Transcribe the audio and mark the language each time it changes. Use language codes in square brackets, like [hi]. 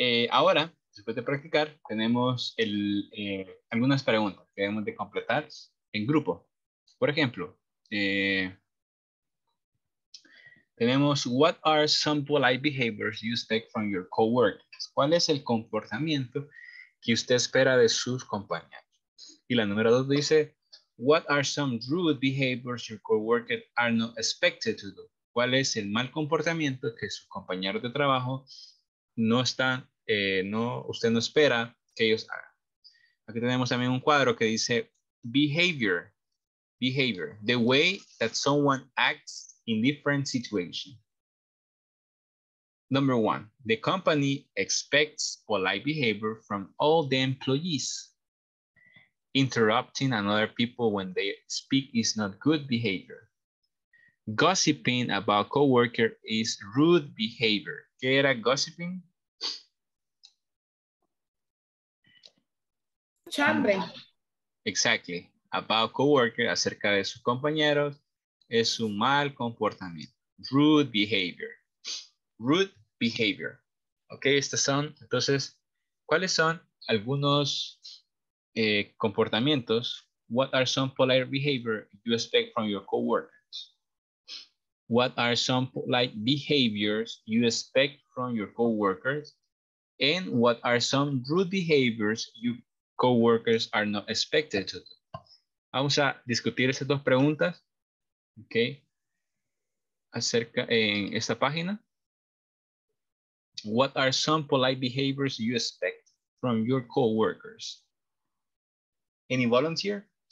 [es] Ahora, después de practicar, tenemos algunas preguntas que debemos de completar en grupo. Por ejemplo, tenemos, [en] what are some polite behaviors you expect from your coworkers? [es] ¿Cuál es el comportamiento que usted espera de sus compañeros? Y la número dos dice, [en] what are some rude behaviors your coworkers are not expected to do? [es] ¿Cuál es el mal comportamiento que sus compañeros de trabajo no están, usted no espera que ellos hagan? Aquí tenemos también un cuadro que dice, [en] behavior, the way that someone acts in different situations. Number one, the company expects polite behavior from all the employees. Interrupting another people when they speak is not good behavior. Gossiping about coworker is rude behavior. [es] ¿Qué era gossiping? Chambre. [en] Exactly. About coworker, [es] acerca de sus compañeros, es un mal comportamiento. [en] Rude behavior. Rude behavior. [es] Ok, estas son, entonces, ¿cuáles son algunos comportamientos? [en] What are some polite behavior you expect from your coworkers? What are some polite behaviors you expect from your coworkers? And what are some rude behaviors your coworkers are not expected to do? [es] Vamos a discutir estas dos preguntas, ok, acerca en esta página. [en] What are some polite behaviors you expect from your coworkers? Any volunteer?